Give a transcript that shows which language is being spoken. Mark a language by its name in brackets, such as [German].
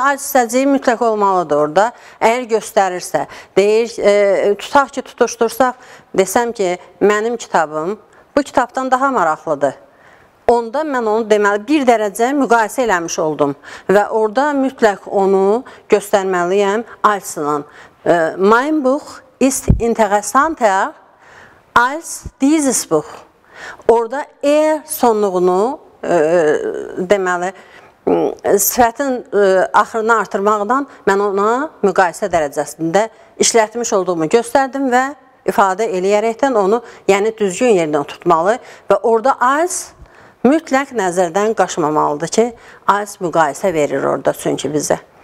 [Azerbaijani] ALS hissəciyi mütləq olmalıdır orada. Əgər göstərirsə, deyir, tutaq ki, tutuşdursaq, desəm ki, mənim kitabım bu kitabdan daha maraqlıdır. Onda mən onu deməli bir dərəcə müqayisə eləmiş oldum və orada mütləq onu göstərməliyəm ALS-la. [German] Mein Buch ist interessanter als dieses Buch. [Azerbaijani] Orada E sonluğunu deməli sifətin axırını artırmaqdan mən ona müqayisə dərəcəsində işlətmiş olduğumu göstərdim və ifadə eləyərəkdən onu yəni düzgün yerinə tutmalı və orada az mütləq nəzərdən qaçmamalıdır ki, az müqayisə verir orada çünki bizə.